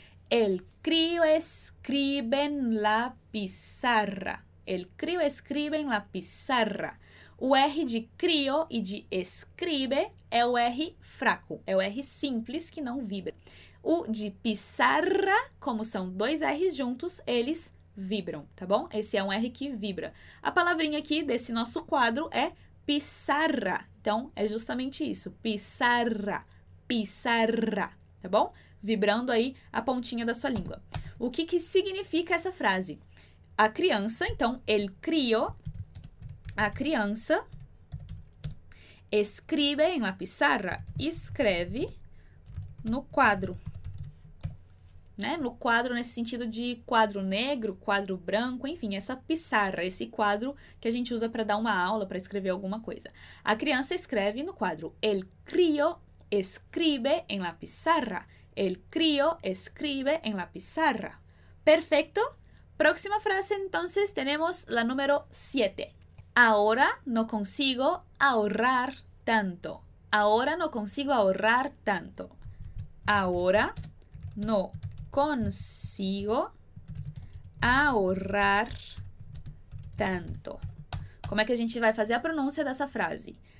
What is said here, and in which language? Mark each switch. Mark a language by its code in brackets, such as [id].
[es] El crío escribe en la pizarra. El crío escribe en la pizarra. [pt] O R de crío e de escribe é o R fraco, é o R simples que não vibra. O de pizarra, como são dois R's juntos, eles vibram, tá bom? Esse é um R que vibra. A palavrinha aqui desse nosso quadro é pizarra. Então, é justamente isso, pizarra, pizarra. Tá bom? Vibrando aí a pontinha da sua língua. O que que significa essa frase? A criança, então, [es] el crío, [pt] a criança, [es] escribe em la pizarra, [pt] escreve no quadro. Né? No quadro, nesse sentido de quadro negro, quadro branco, enfim, essa pizarra, esse quadro que a gente usa para dar uma aula, para escrever alguma coisa. A criança escreve no quadro. [es] El crío escribe en la pizarra. El crío escribe en la pizarra. Perfecto. Próxima frase, entonces, tenemos la número 7. Ahora no consigo ahorrar tanto. Ahora no consigo ahorrar tanto. Ahora no consigo ahorrar tanto. [pt] Como é que a gente vai fazer a pronúncia dessa frase?